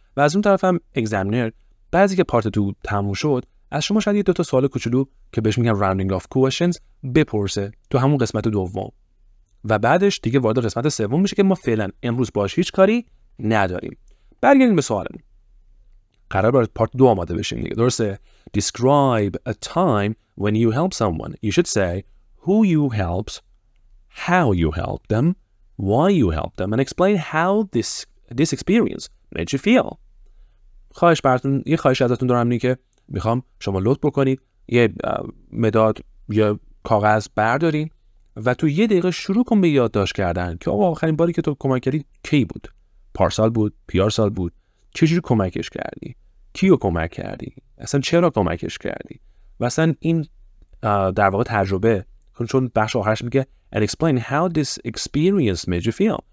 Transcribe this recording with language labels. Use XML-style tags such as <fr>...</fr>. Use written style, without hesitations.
<fa>و از اون طرف هم اگزامینر، بعضی که پارت 2 تموم شد، از شما شاید یه دو تا سوال کوچولو که بهش میگن</fa> <en>rounding off questions</en> <fa>بپرسه تو همون قسمت دوم. و بعدش دیگه وارد قسمت سوم میشه که ما فعلا امروز باش هیچ کاری نداریم. برگردیم به سوال. قرار برای پارت 2 آماده بشیم دیگه، درسته؟</fa> <en>Describe a time when you help someone. You should say who you helped, how you helped them, why you helped them, and explain how this experience made you feel.</en> <fa>خواهش براتون، یه خواهش ازتون دارم، اینه که میخوام شما لطف بکنید یه مداد یا کاغذ بردارین و تو یه دقیقه شروع کن به یادداشت کردن که آقا آخرین باری که تو کمک کردی کی بود؟ پارسال بود؟ پیارسال بود؟ چجوری کمکش کردی؟ کیو کمک کردی؟ اصلا چرا کمکش کردی؟ و اصلا این در واقع تجربه، چون بخش آخرش میگه</fa> <en>and explain how this experience made you feel.</en>